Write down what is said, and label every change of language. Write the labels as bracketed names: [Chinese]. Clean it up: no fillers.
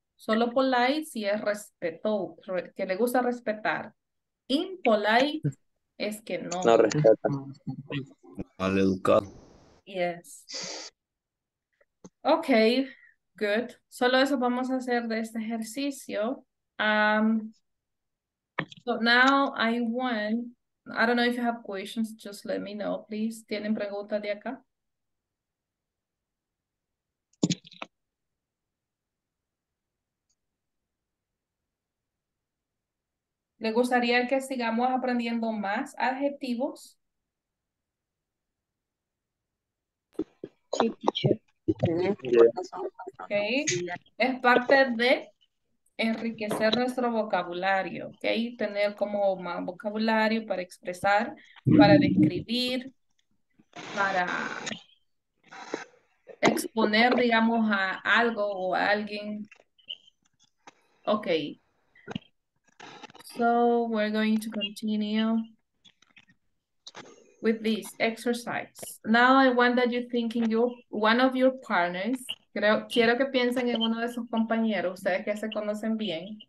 [Spanish] Solo polite si es respetuoso, que le gusta respetar. Impolite es que no. No respeta. Mal educado. [English] Yes. Okay, good. [Spanish] Solo eso vamos a hacer de este ejercicio. [English] So now I want, I don't know if you have questions, just let me know, please. [Spanish] ¿Tienen preguntas de acá? ¿Le gustaría que sigamos aprendiendo más adjetivos? Sí, teacher. Okay. Es parte de enriquecer nuestro vocabulario, okay? Tener como más vocabulario para expresar, para describir, para exponer, digamos, a algo o a alguien. Okay. [English] So we're going to continue with this exercise. Now I want that you think in one of your partners. [Spanish] Quiero que piensen en uno de sus compañeros, ustedes que se conocen bien.